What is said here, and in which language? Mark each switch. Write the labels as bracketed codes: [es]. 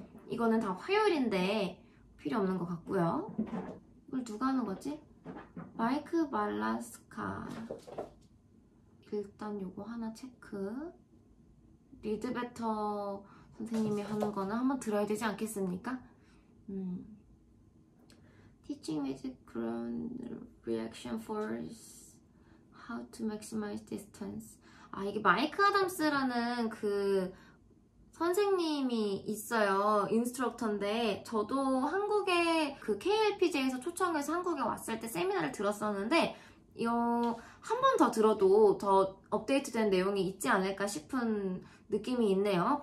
[ko] 이거는 다 화요일인데 필요 없는 것 같고요. 이걸 누가 하는 거지? 마이크 말라스카. 일단 요거 하나 체크. 리드베터 선생님이 하는 거는 한번 들어야 되지 않겠습니까? [en] Teaching with ground reaction force. How to maximize distance. [ko] 아, 이게 마이크 아담스라는 그 선생님이 있어요. 인스트럭터인데, 저도 한국에 그 KLPJ에서 초청해서 한국에 왔을 때 세미나를 들었었는데, 이거 한 번 더 들어도 더 업데이트된 내용이 있지 않을까 싶은 느낌이 있네요.